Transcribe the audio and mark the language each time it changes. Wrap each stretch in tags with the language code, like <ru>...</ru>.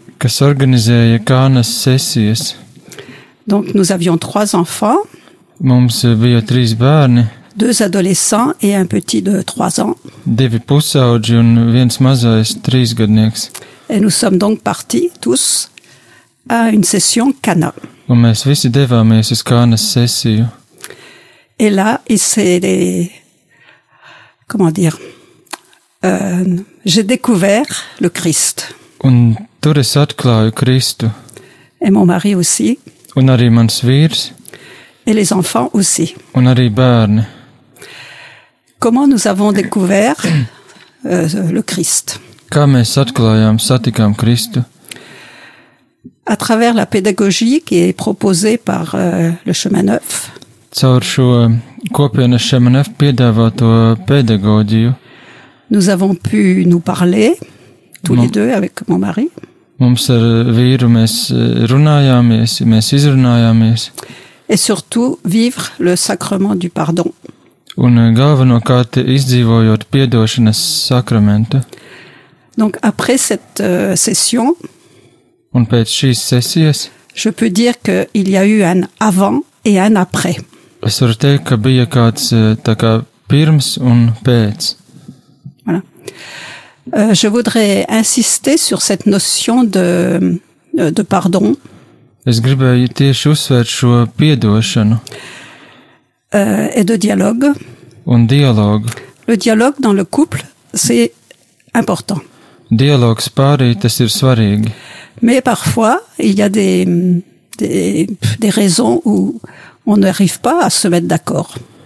<lv>Kas organizēja Kānas sesijas.</lv> <fr>Donc, nous avions trois enfants.</fr> <lv>Mums bija trīs bērni.</lv> <fr>Deux adolescents et un petit de trois ans.</fr> <lv>Divi pusaudži un viens mazais trīs gadnieks.</lv> <fr>Et nous sommes donc partis tous à une session Kana.</fr> <lv>Un mēs visi devāmies uz Kānas sesiju.</lv> <fr>Et là, il s'est comment dire? J'ai découvert le Christ.</fr> <lv>Un tur es atklāju Kristu.</lv> <fr>Et mon mari aussi.</fr> <lv>Un arī mans vīrs.</lv> <fr>Et les enfants aussi.</fr> <lv>Un arī bērni.</lv> <fr>Comment nous avons découvert le Christ?</fr> <lv>Kā mēs atklājām, satikām Kristu?</lv> <fr>À travers la pédagogie qui est proposée par le chemin neuf.</fr> <lv>Caur šo kopienas chemin neuf piedāvāto pedagoģiju.</lv> <fr>Nous avons pu nous parler, tous les deux, avec mon mari.</fr> <lv>Mums ar vīru mēs runājāmies, mēs izrunājāmies.</lv> <fr>Et surtout vivre le sacrement du pardon.</fr> <lv>Un galvenokārt izdzīvojot piedošanas sakramentu.</lv> <fr>Donc après cette session,</fr> <lv>un pēc šīs sesijas,</lv> <fr>je peux dire que il y a eu un avant et un après.</fr> <lv>Es varu teikt, ka bija kāds tā kā pirms un pēc.</lv> <fr>Voilà. Je voudrais insister sur cette notion de pardon.</fr> <lv>Es gribēju tieši uzsvērt šo piedošanu.</lv> <fr>Et de dialogue.</fr> <lv>Un dialogu.</lv> <fr>Le dialogue dans le couple, c'est important.</fr> <lv>Dialogs pārī, tas ir svarīgi.</lv> <fr>Mais parfois, il y a des raisons où on n'arrive pas à se mettre d'accord.</fr>